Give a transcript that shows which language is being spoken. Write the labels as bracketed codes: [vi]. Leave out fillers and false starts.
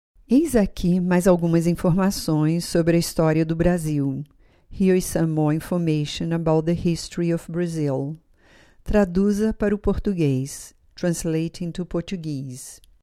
[pt] Eis aqui mais algumas informações sobre a história do Brasil. [en] Here is some more information about the history of Brazil. [pt] Traduza para o português. [en] Translate into Portuguese.